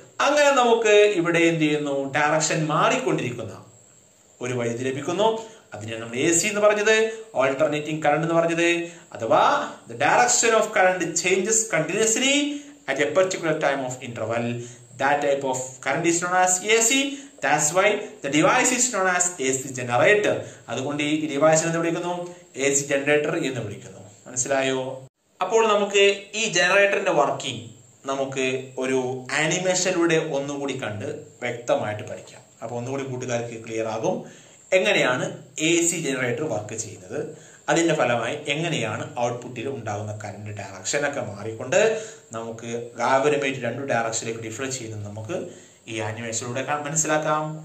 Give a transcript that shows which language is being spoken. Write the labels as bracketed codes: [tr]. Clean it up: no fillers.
[ml] അങ്ങനെ നമുക്ക് ഇവിടെ എന്ത് ചെയ്യുന്നു, ഡയറക്ഷൻ മാറിക്കൊണ്ടിരിക്കുന്ന ഒരു വൈദ്യുതി ലഭിക്കുന്നു. അതിനാണ് നമ്മൾ എ സി എന്ന് പറഞ്ഞത്, ഓൾട്ടർനേറ്റിംഗ് കറണ്ട് എന്ന് പറഞ്ഞത്, അഥവാ [en] The direction of current changes continuously at a particular time of interval. That type of current is known as A C. That's why the device is known as AC generator. [ml] അതുകൊണ്ട് ഈ device എന്ന് വിളിക്കുന്നു AC generator എന്ന് വിളിക്കുന്നു, മനസ്സിലായോ? അപ്പോൾ നമുക്ക് ഈ ജനറേറ്ററിന്റെ വർക്കിംഗ് നമുക്ക് ഒരു ആനിമേഷനിലൂടെ ഒന്നുകൂടി കണ്ട് വ്യക്തമായിട്ട് പഠിക്കാം. അപ്പൊ ഒന്നുകൂടി കൂട്ടുകാർക്ക് ക്ലിയർ ആകും എങ്ങനെയാണ് AC generator വർക്ക് ചെയ്യുന്നത്, അതിന്റെ ഫലമായി എങ്ങനെയാണ് ഔട്ട്പുട്ടിൽ ഉണ്ടാകുന്ന കറന്റ് ഡയറക്ഷൻ ഒക്കെ മാറിക്കൊണ്ട് നമുക്ക് ഗാവരമേറ്റ് രണ്ട് ഡയറക്ഷനിലേക്ക് ഡിഫറൻസ് ചെയ്യുന്നത് നമുക്ക് ഈ ആനിമേഷനിലൂടെ മനസ്സിലാക്കാം.